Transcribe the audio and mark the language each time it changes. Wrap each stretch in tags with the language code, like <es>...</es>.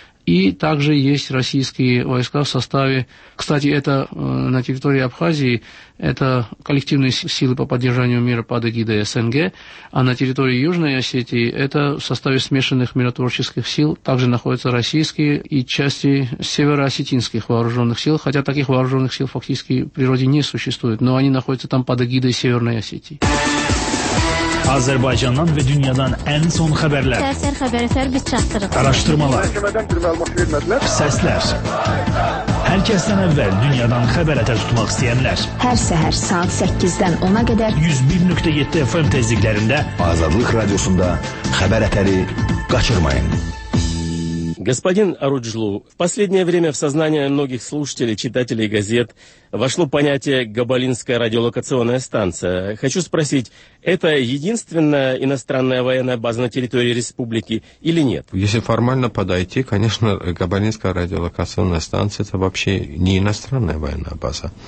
<ru>И также есть российские войска в составе, кстати, это на территории Абхазии, это коллективные силы по поддержанию мира под эгидой СНГ, а на территории Южной Осетии это в составе смешанных миротворческих сил также находятся российские и части северо-осетинских вооруженных сил, хотя таких вооруженных сил фактически в природе не существует, но они находятся там под эгидой Северной Осетии.</ru> <az>Azərbaycandan və dünyadan ən son xəbərlər. Təsir xəbərlər biz çatdırırıq. Araşdırmalar. Səslər. Hər kəsdən əvvəl dünyadan xəbər ətə tutmaq istəyənlər. Hər səhər saat 8-dən 10-a qədər 101.7 FM təzyiqlərində Azadlıq radiosunda xəbər ətəri qaçırmayın.</az> <ru>Господин Аруджлу, в последнее время в сознание многих слушателей, читателей газет вошло понятие «Габалинская радиолокационная станция». Хочу спросить, это единственная иностранная военная база на территории республики или нет? Если формально подойти, конечно, Габалинская радиолокационная станция – это вообще не иностранная военная база.</ru>